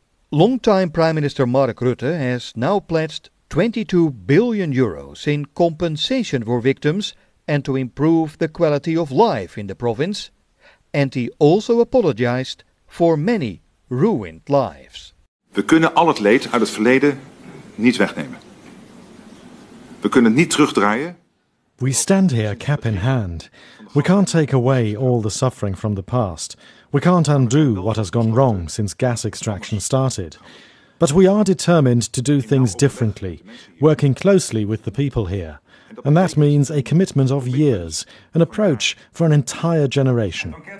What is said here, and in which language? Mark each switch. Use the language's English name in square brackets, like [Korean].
[English] Long-time Prime Minister Mark Rutte has now pledged 22 billion euros in compensation for victims and to improve the quality of life in the province. And he also apologized for many ruined lives. [Dutch] We kunnen al het leed uit het verleden niet wegnemen. We kunnen niet terugdraaien. [English] We stand here cap in hand. We can't take away all the suffering from the past. We can't undo what has gone wrong since gas extraction started. But we are determined to do things differently, working closely with the people here. And that means a commitment of years, an approach for an entire generation.